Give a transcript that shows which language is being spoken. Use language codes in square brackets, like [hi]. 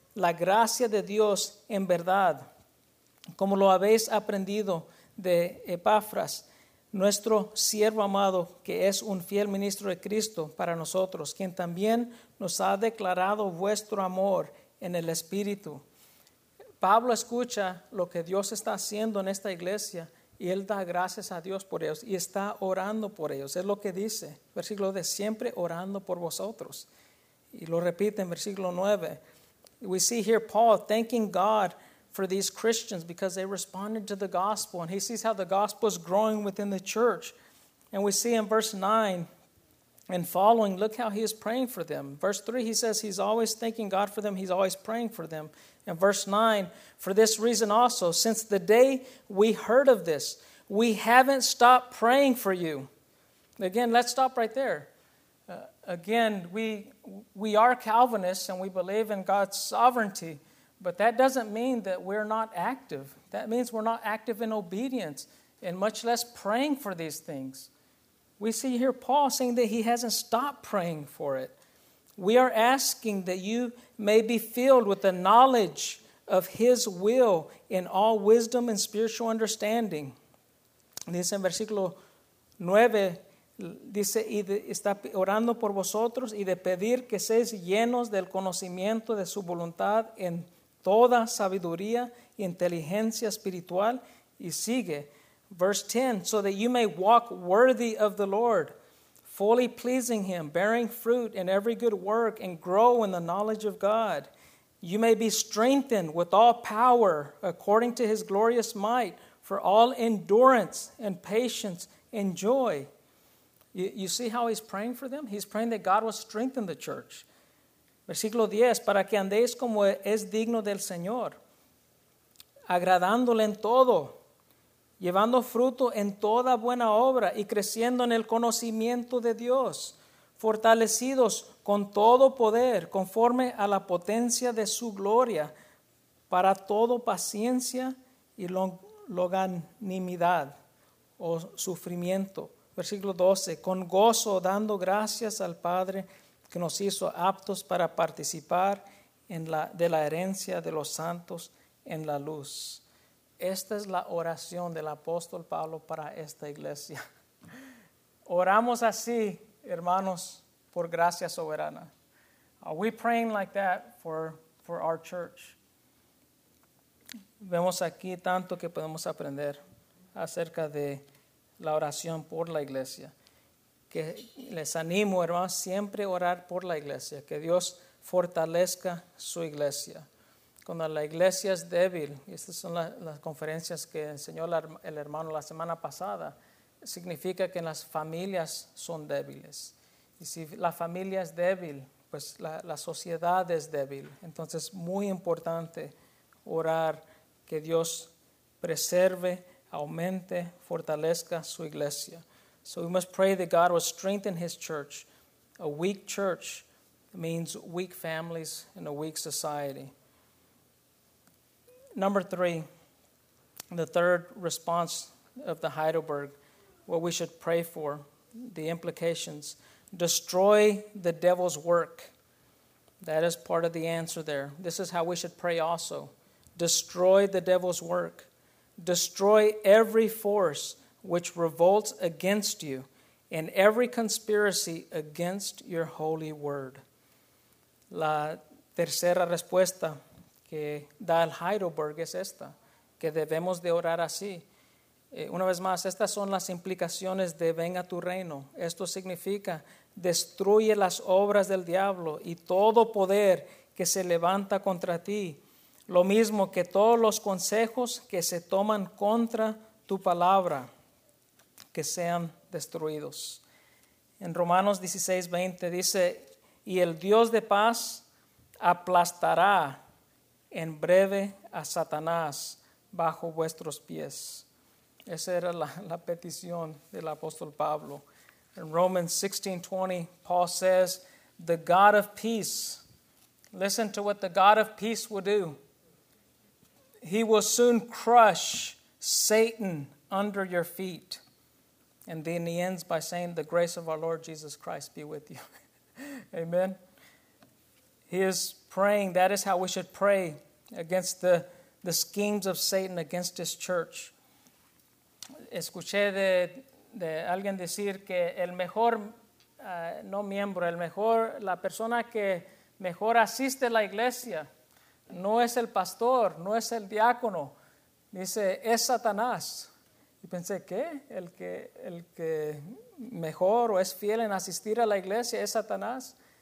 [es] la gracia de Dios en verdad, como lo habéis aprendido de Epafras, nuestro siervo amado, que es un fiel ministro de Cristo para nosotros, quien también nos ha declarado vuestro amor en el Espíritu. Pablo escucha lo que Dios está haciendo en esta iglesia y él da gracias a Dios por ellos y está orando por ellos. Es lo que dice, versículo 10, siempre orando por vosotros. Y lo repite en versículo 9. [en] We see here Paul thanking God for these Christians because they responded to the gospel. And he sees how the gospel is growing within the church. And we see in verse 9 and following, look how he is praying for them. Verse 3, he says he's always thanking God for them. He's always praying for them. And verse 9, for this reason also, since the day we heard of this, we haven't stopped praying for you. Again, let's stop right there. Again, we are Calvinists and we believe in God's sovereignty, but that doesn't mean that we're not active. That means we're not active in obedience and much less praying for these things. We see here Paul saying that he hasn't stopped praying for it. We are asking that you may be filled with the knowledge of his will in all wisdom and spiritual understanding. [es] Dice en versículo 9, dice, y está orando por vosotros y de pedir que seáis llenos del conocimiento de su voluntad en toda sabiduría y inteligencia espiritual. Y sigue, [en] verse 10, so that you may walk worthy of the Lord, fully pleasing him, bearing fruit in every good work, and grow in the knowledge of God. You may be strengthened with all power according to his glorious might for all endurance and patience and joy. You see how he's praying for them? He's praying that God will strengthen the church. [es] Versículo 10, para que andéis como es digno del Señor, agradándole en todo, llevando fruto en toda buena obra y creciendo en el conocimiento de Dios, fortalecidos con todo poder, conforme a la potencia de su gloria, para todo paciencia y longanimidad o sufrimiento. Versículo 12, con gozo dando gracias al Padre que nos hizo aptos para participar en la herencia de los santos en la luz. Esta es la oración del apóstol Pablo para esta iglesia. Oramos así, hermanos, por gracia soberana. [en] Are we praying like that for our church? [es] Vemos aquí tanto que podemos aprender acerca de la oración por la iglesia. Que les animo, hermanos, siempre a orar por la iglesia. Que Dios fortalezca su iglesia. Cuando la iglesia es débil, y estas son las conferencias que enseñó el hermano la semana pasada, significa que las familias son débiles. Y si la familia es débil, pues la sociedad es débil. Entonces es muy importante orar que Dios preserve, aumente, fortalezca su iglesia. [en] So we must pray that God will strengthen his church. A weak church means weak families and a weak society. Number 3, the third response of the Heidelberg, what we should pray for, the implications. Destroy the devil's work. That is part of the answer there. This is how we should pray also. Destroy the devil's work. Destroy every force which revolts against you and every conspiracy against your holy word. [es] La tercera respuesta que da el Heidelberg es esta, que debemos de orar así. Una vez más, estas son las implicaciones de venga tu reino. Esto significa destruye las obras del diablo y todo poder que se levanta contra ti, lo mismo que todos los consejos que se toman contra tu palabra, que sean destruidos. En Romanos 16:20 dice, y el Dios de paz aplastará en breve a Satanás bajo vuestros pies. Esa era la petición del apóstol Pablo. En [en] Romans 16:20, Paul says, the God of peace, listen to what the God of peace will do. He will soon crush Satan under your feet. And then he ends by saying, the grace of our Lord Jesus Christ be with you. Amen. He is praying. That is how we should pray against the schemes of Satan against his church. [es] Escuché de alguien decir que el mejor, no miembro, el mejor, la persona que mejor asiste a la iglesia, no es el pastor, no es el diácono. Dice, es Satanás. Y pensé, ¿qué? El que mejor o es fiel en asistir a la iglesia es Satanás.